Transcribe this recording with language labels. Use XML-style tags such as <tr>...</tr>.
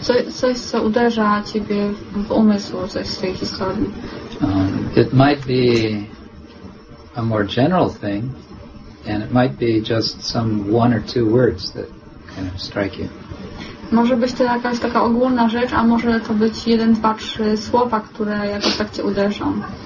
<pl>Coś, co uderza ciebie w umysł, coś z tej historii.</pl> <en>It might be a more general thing, and it might be just some one or two words that kind of strike you.</en> <pl>Może być to jakaś taka ogólna rzecz, a może to być jeden, dwa, trzy słowa, które jakoś tak cię uderzą.</pl>